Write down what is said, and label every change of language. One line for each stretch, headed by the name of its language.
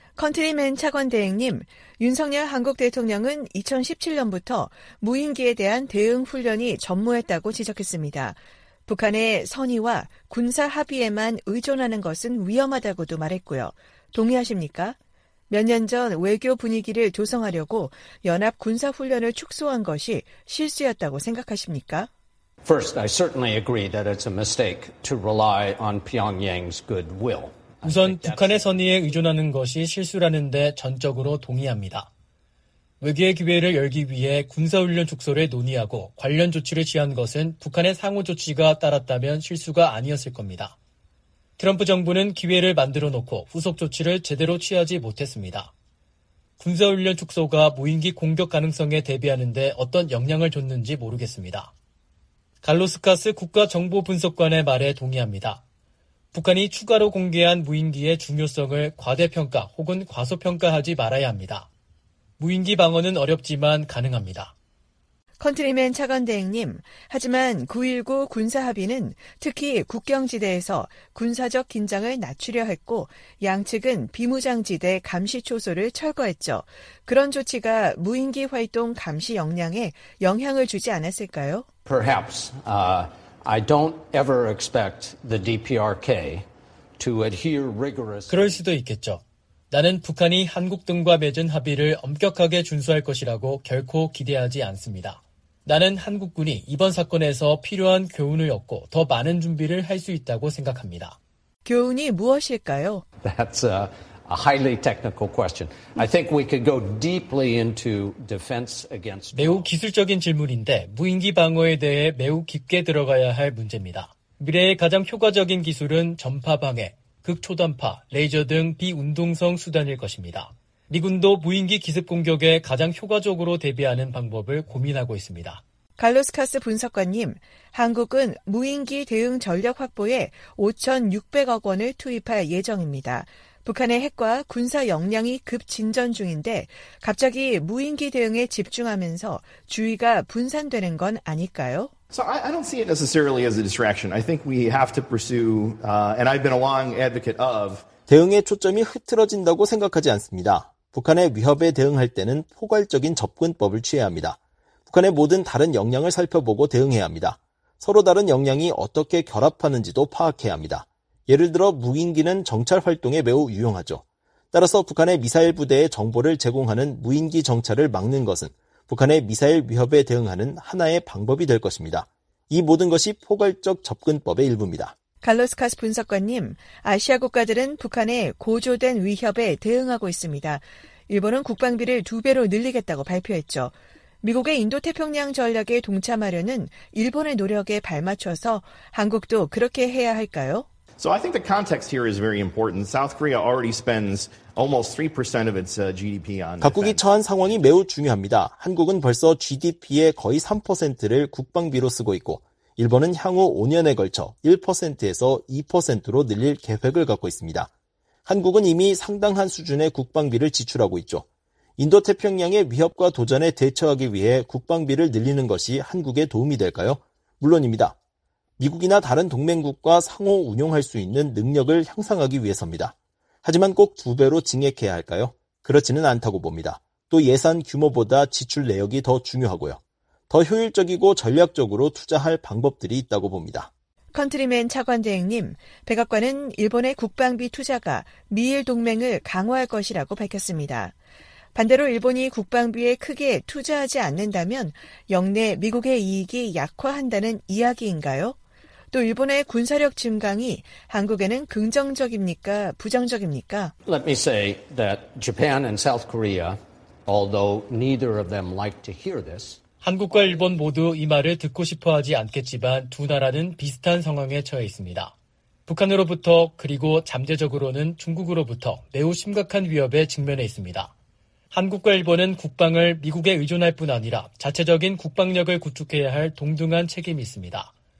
Korean: 컨트리맨 차관 대행님, 윤석열 한국 대통령은 2017년부터 무인기에 대한 대응 훈련이 전무했다고 지적했습니다. 북한의 선의와 군사 합의에만 의존하는 것은 위험하다고도 말했고요. 동의하십니까? 몇 년 전 외교 분위기를 조성하려고 연합 군사 훈련을 축소한 것이 실수였다고 생각하십니까?
English: First, I certainly agree that it's a mistake to rely on Pyongyang's goodwill.
Korean: 우선 북한의 선의에 의존하는 것이 실수라는데 전적으로 동의합니다. 외교의 기회를 열기 위해 군사훈련 축소를 논의하고 관련 조치를 취한 것은 북한의 상호 조치가 따랐다면 실수가 아니었을 겁니다. 트럼프 정부는 기회를 만들어 놓고 후속 조치를 제대로 취하지 못했습니다. 군사훈련 축소가 무인기 공격 가능성에 대비하는데 어떤 영향을 줬는지 모르겠습니다. 갈로스카스 국가정보분석관의 말에 동의합니다. 북한이 추가로 공개한 무인기의 중요성을 과대평가 혹은 과소평가하지 말아야 합니다. 무인기 방어는 어렵지만 가능합니다. 컨트리맨 차관 대행님, 하지만 9.19 군사 합의는 특히 국경지대에서 군사적 긴장을 낮추려 했고 양측은 비무장지대 감시 초소를 철거했죠. 그런 조치가 무인기 활동 감시 역량에 영향을 주지 않았을까요?
English: Perhaps. I don't ever expect the DPRK to adhere rigorously.
Korean: 그럴 수도 있겠죠. 나는 북한이 한국 등과 맺은 합의를 엄격하게 준수할 것이라고 결코 기대하지 않습니다. 나는 한국군이 이번 사건에서 필요한 교훈을 얻고 더 많은 준비를 할 수 있다고 생각합니다. 교훈이 무엇일까요?
English: That's a highly technical question. I think we could go deeply into defense against.
Korean: 매우 기술적인 질문인데 무인기 방어에 대해 매우 깊게 들어가야 할 문제입니다. 미래의 가장 효과적인 기술은 전파 방해, 극초단파, 레이저 등 비운동성 수단일 것입니다. 미군도 무인기 기습 공격에 가장 효과적으로 대비하는 방법을 고민하고 있습니다. 갈로스카스 분석관님, 한국은 무인기 대응 전력 확보에 5,600억 원을 투입할 예정입니다. 북한의 핵과 군사 역량이 급진전 중인데 갑자기 무인기 대응에 집중하면서 주의가 분산되는 건 아닐까요?
English: So I don't see it necessarily as a distraction. I think we have to pursue, and I've been a long advocate of.
Korean: 대응의 초점이 흐트러진다고 생각하지 않습니다. 북한의 위협에 대응할 때는 포괄적인 접근법을 취해야 합니다. 북한의 모든 다른 역량을 살펴보고 대응해야 합니다. 서로 다른 역량이 어떻게 결합하는지도 파악해야 합니다. 예를 들어 무인기는 정찰 활동에 매우 유용하죠. 따라서 북한의 미사일 부대에 정보를 제공하는 무인기 정찰을 막는 것은 북한의 미사일 위협에 대응하는 하나의 방법이 될 것입니다. 이 모든 것이 포괄적 접근법의 일부입니다. 갈로스카스 분석관님, 아시아 국가들은 북한의 고조된 위협에 대응하고 있습니다. 일본은 국방비를 두 배로 늘리겠다고 발표했죠. 미국의 인도태평양 전략에 동참하려는 일본의 노력에 발맞춰서 한국도 그렇게 해야 할까요?
English: So I think the context here is very important. South Korea already spends almost 3% of its GDP on defense.
Korean: 각국이 처한 상황이 매우 중요합니다. 한국은 벌써 GDP의 거의 3%를 국방비로 쓰고 있고 일본은 향후 5년에 걸쳐 1%에서 2%로 늘릴 계획을 갖고 있습니다. 한국은 이미 상당한 수준의 국방비를 지출하고 있죠. 인도태평양의 위협과 도전에 대처하기 위해 국방비를 늘리는 것이 한국에 도움이 될까요? 물론입니다. 미국이나 다른 동맹국과 상호 운용할 수 있는 능력을 향상하기 위해서입니다. 하지만 꼭 두 배로 증액해야 할까요? 그렇지는 않다고 봅니다. 또 예산 규모보다 지출 내역이 더 중요하고요. 더 효율적이고 전략적으로 투자할 방법들이 있다고 봅니다. 컨트리맨 차관 대행님, 백악관은 일본의 국방비 투자가 미일 동맹을 강화할 것이라고 밝혔습니다. 반대로 일본이 국방비에 크게 투자하지 않는다면 역내 미국의 이익이 약화한다는 이야기인가요? 또 일본의 군사력 증강이 한국에는 긍정적입니까? 부정적입니까?
English: Let me say that Japan and South Korea, although neither of them like to hear this,
Korean: 한국과 일본 모두 이 말을 듣고 싶어 하지 않겠지만 두 나라는 비슷한 상황에 처해 있습니다. 북한으로부터 그리고 잠재적으로는 중국으로부터 매우 심각한 위협에 직면해 있습니다. 한국과 일본은 국방을 미국에 의존할 뿐 아니라 자체적인 국방력을 구축해야 할 동등한 책임이 있습니다.